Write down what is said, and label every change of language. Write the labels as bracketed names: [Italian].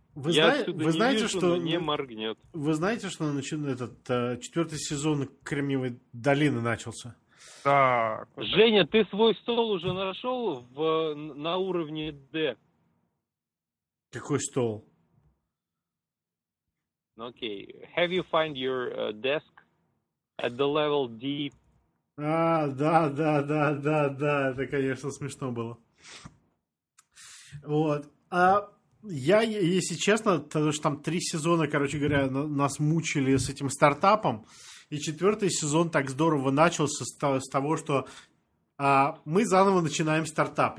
[Russian] Вы знаете, что этот четвертый сезон Кремниевой долины начался? Да. Женя, ты свой стол уже нашел на уровне D? Какой стол? Окей. [English] Have you found your desk at the level D? [Russian] А, да. Это, конечно, смешно было. Вот. А я, если честно, потому что там три сезона, короче говоря, нас мучили с этим стартапом, и четвертый сезон так здорово начался с того, что мы заново начинаем стартап.